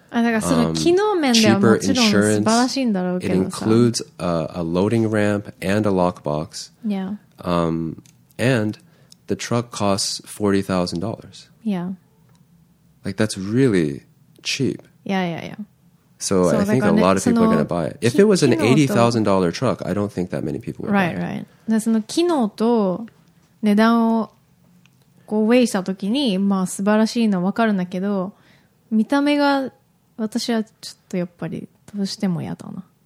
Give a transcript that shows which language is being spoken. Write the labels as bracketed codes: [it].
[ja] だからその機能面ではもちろん素晴らしいんだろうけどさ。 [en] It includes a loading ramp and a lockbox. Yeah. And the truck costs $40,000. Yeah. Like that's really cheap. Yeah, yeah, yeah. So I think a lot of people are going to buy it. If it was an $80,000 truck, I don't think that many people would buy it. Right, right. [ja] その機能と値段をこうウェイしたときに、まあ素晴らしいのは分かるんだけど、見た目が私はちょっとやっぱりどうしても嫌だな。